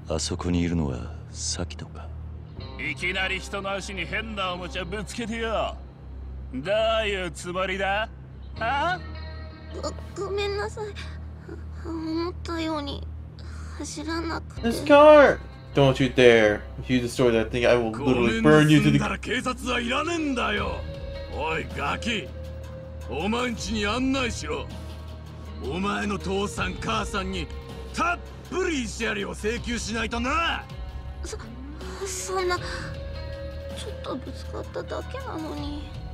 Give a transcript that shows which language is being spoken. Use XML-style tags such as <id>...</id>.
<ja>あそこにいるのはサキとか。いきなり人の足に変なおもちゃぶつけてよ。どういうつもりだ？あ？ごめんなさい。思ったように走らなくて。</ja> <en>This car! Don't you dare! If you destroy that thing, I will literally burn you to the ground.</en> <ja>警察はいらねえんだよ。おいガキ、お前ん家に案内しろ。お前の父さん母さんにたっぷり慰謝料を請求しないとな。そんなちょっとぶつかっただけなのに。</ja>